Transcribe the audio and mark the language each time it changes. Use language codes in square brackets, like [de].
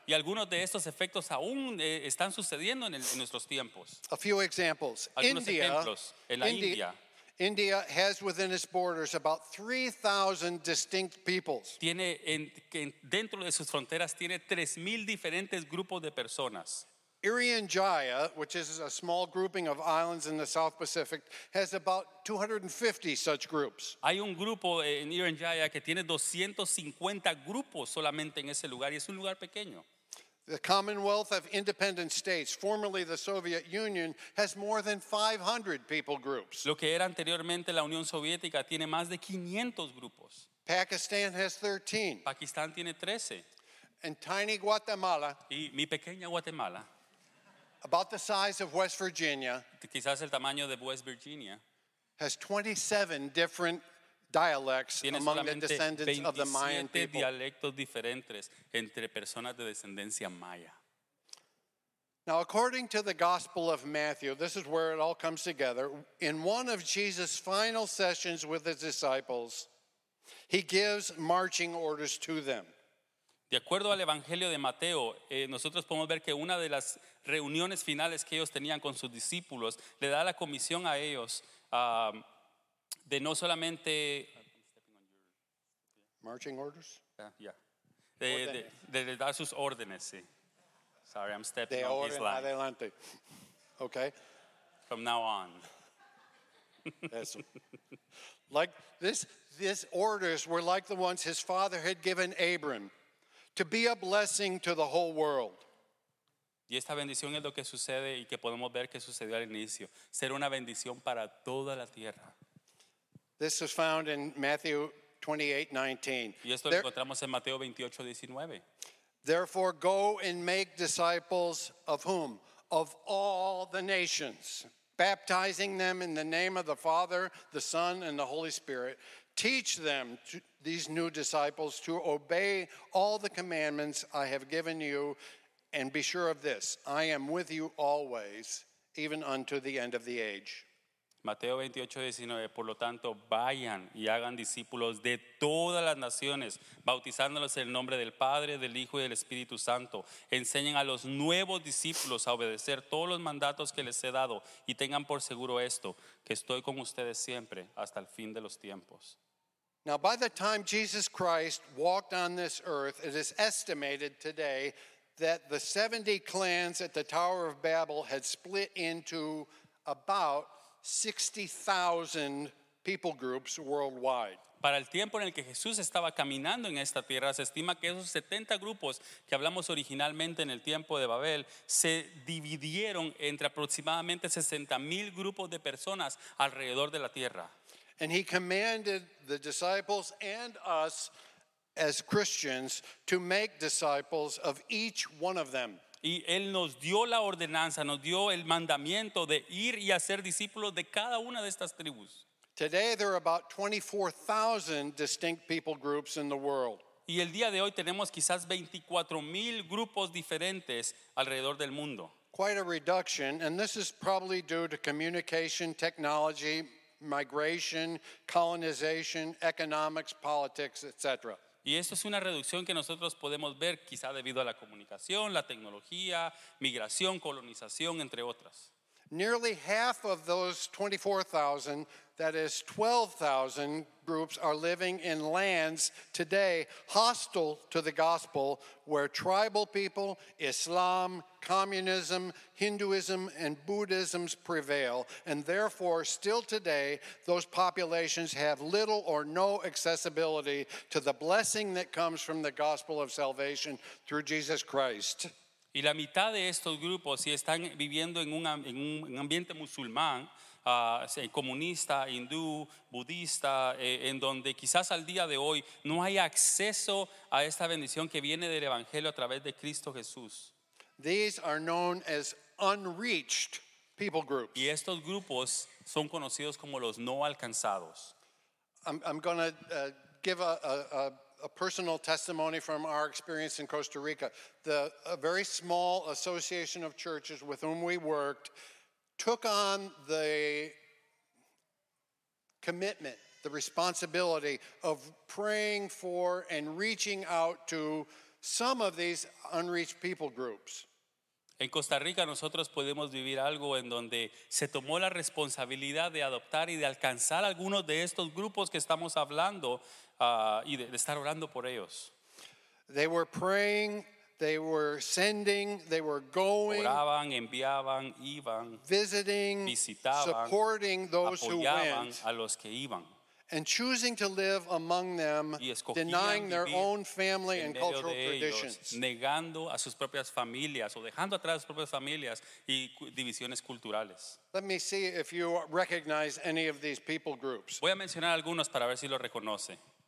[es] Y algunos de estos efectos aún están sucediendo en nuestros tiempos. [en] A few examples. India has within its borders about 3,000 distinct peoples. [es] Tiene dentro de sus fronteras tiene 3,000 diferentes grupos de personas. [en] Irian Jaya, which is a small grouping of islands in the South Pacific, has about 250 such groups. [es] Hay un grupo en Irian Jaya que tiene 250 grupos solamente en ese lugar, y es un lugar pequeño. [en] The Commonwealth of Independent States, formerly the Soviet Union, has more than 500 people groups. [es] Lo que era anteriormente la Unión Soviética tiene más de 500 grupos. [en] Pakistan has 13. [es] Pakistán tiene 13. [en] And tiny Guatemala. [es] Y mi pequeña Guatemala. [en] About the size of West Virginia, [es] quizás el tamaño de West Virginia, [en] has 27 different dialects among the descendants of the Mayan people. [es] Tiene dialectos diferentes entre personas de descendencia maya. [en] Now, according to the Gospel of Matthew, this is where it all comes together. In one of Jesus' final sessions with his disciples, he gives marching orders to them. [es] De acuerdo al Evangelio de Mateo, nosotros podemos ver que una de las reuniones finales que ellos tenían con sus discípulos le da la comisión a ellos de no solamente [en] marching orders, [es] de dar sus órdenes. Sí. [en] Sorry, I'm stepping [es] de [en] on his line. [es] Adelante. Okay. [en] From now on. [es] Eso. [en] Like this orders were like the ones his father had given Abram. To be a blessing to the whole world. [es] Y esta bendición es lo que sucede y que podemos ver que sucedió al inicio. Ser una bendición para toda la tierra. [en] This is found in Matthew 28:19. [es] Y esto lo encontramos en Mateo 28:19. [en] Therefore, go and make disciples of whom? Of all the nations, baptizing them in the name of the Father, the Son, and the Holy Spirit. Teach them, these new disciples, to obey all the commandments I have given you, and be sure of this, I am with you always, even unto the end of the age. [es] Mateo 28:19, por lo tanto, vayan y hagan discípulos de todas las naciones, bautizándolos en el nombre del Padre, del Hijo y del Espíritu Santo. Enseñen a los nuevos discípulos a obedecer todos los mandatos que les he dado y tengan por seguro esto, que estoy con ustedes siempre hasta el fin de los tiempos. [en] Now, by the time Jesus Christ walked on this earth, it is estimated today that the 70 clans at the Tower of Babel had split into about 60,000 people groups worldwide. [es] Para el tiempo en el que Jesús estaba caminando en esta tierra, se estima que esos 70 grupos que hablamos originalmente en el tiempo de Babel se dividieron entre aproximadamente 60,000 grupos de personas alrededor de la tierra. [en] And he commanded the disciples and us as Christians to make disciples of each one of them. [es] Y él nos dio la ordenanza, nos dio el mandamiento de ir y hacer discípulos de cada una de estas tribus. [en] Today there are about 24,000 distinct people groups in the world. [es] Y el día de hoy tenemos quizás 24,000 grupos diferentes alrededor del mundo. [en] Quite a reduction, and this is probably due to communication technology, migration, colonization, economics, politics, etc. [es] Y esto es una reducción que nosotros podemos ver quizá debido a la comunicación, la tecnología, migración, colonización, entre otras. [en] Nearly half of those 24,000, that is 12,000 groups, are living in lands today hostile to the gospel, where tribal people, Islam, communism, Hinduism, and Buddhism prevail. And therefore, still today, those populations have little or no accessibility to the blessing that comes from the gospel of salvation through Jesus Christ. [es] Y la mitad de estos grupos sí están viviendo en un ambiente musulmán, comunista, hindú, budista, en donde quizás al día de hoy no hay acceso a esta bendición que viene del Evangelio a través de Cristo Jesús. [en] These are known as unreached people groups. [es] Y estos grupos son conocidos como los no alcanzados. [en] I'm going to give a personal testimony from our experience in Costa Rica. A very small association of churches with whom we worked took on the commitment, the responsibility of praying for and reaching out to some of these unreached people groups. [es] En Costa Rica nosotros podemos vivir algo en donde se tomó la responsabilidad de adoptar y de alcanzar algunos de estos grupos que estamos hablando y de estar orando por ellos. [en] They were praying, they were sending, they were going. [es] Oraban, enviaban, iban. [en] Visiting, [es] visitaban, [en] supporting those who went. [es] Apoyaban a los que iban. [en] And choosing to live among them, denying their own family and cultural traditions. [es] Negando a sus propias familias o dejando atrás sus propias familias y divisiones culturales. [en] Let me see if you recognize any of these people groups. [es] Voy a mencionar algunos para ver si lo reconoce.